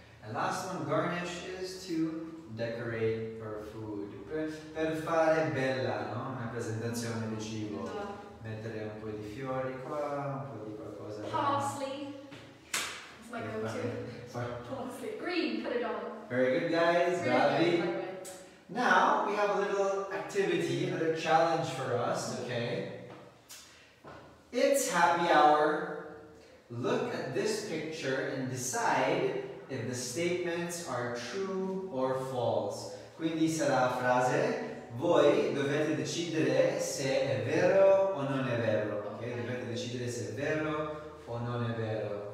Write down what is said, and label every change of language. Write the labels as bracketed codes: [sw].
[en] And last one, garnish, is to decorate our food. [it] Per fare bella, no? Una presentazione di cibo. Mettere un po' di fiori qua, un po' di qualcosa. [en] Parsley. It's my go-to. Parsley. Green, put it on. Very good, guys. Bravi. Now, we have a little activity, another challenge for us, okay? It's happy hour. Look at this picture and decide if the statements are true or false. [it] Quindi sarà la frase, voi dovete decidere se è vero o non è vero. Okay? Dovete decidere se è vero o non è vero.